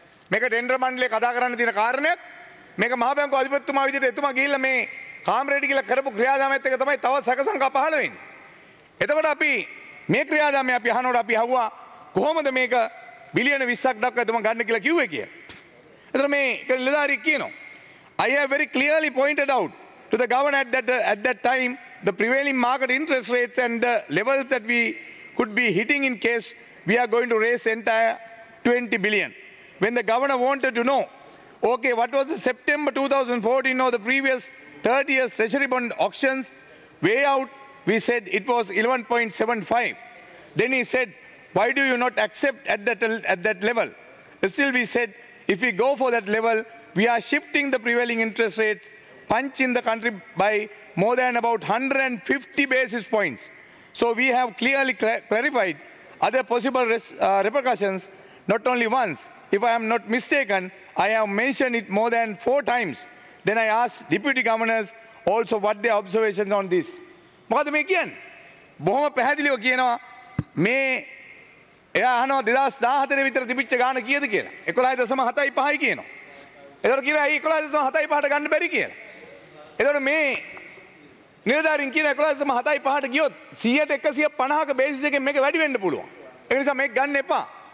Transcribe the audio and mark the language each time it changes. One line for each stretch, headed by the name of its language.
Sinhala: මේක ටෙන්ඩර් මණ්ඩලයේ කතා කරන්න තියෙන කාරණයක්. මේක මහ බැංකු අධිපතිතුමා විදිහට එතුමා ගිහිල්ලා මේ කාමරේට ගිහිල්ලා කරපු ක්‍රියාදාමයත් එක තමයි තවත් සැක සංකා පහළ වෙන්නේ. එතකොට අපි මේ ක්‍රියාදාමය අපි අහනකොට අපි අහුවා කොහොමද මේක බිලියන 20ක් දක්වා එතුමා ගන්න කියලා කිව්වේ කියලා. එතන මේ කලිලදාරි කියනවා
English: I have very clearly pointed out to the governor at that time the prevailing market interest rates and the levels that we could be hitting in case we are going to raise entire 20 billion. When the governor wanted to know, okay, what was the September 2014 or the previous 30 years treasury bond auctions way out, we said it was 11.75. Then he said, why do you not accept at that level? Still we said, if we go for that level, we are shifting the prevailing interest rates, punch in the country by more than about 150 basis points. So we have clearly clarified other possible repercussions, not only once. If I am not mistaken, I have mentioned it more than 4 times. Then I asked deputy governors also what their observations on this.
Sinhala: මොකද මේ කියන්නේ? බොහොම පැහැදිලිව කියනවා මේ එයා අහනවා 2014 විතර තිබිච්ච ගාන කීයද කියලා. 11.75යි කියනවා. එතකොට කියනවා ඇයි 11.75ට ගන්න බැරි කියලා. එතකොට මේ නිලධාරීන් කියන 11.75ට ගියොත් 100ට 150ක බේසිස් එකෙන් මේක වැඩි වෙන්න පුළුවන්. ඒ නිසා මේක ගන්න එපා.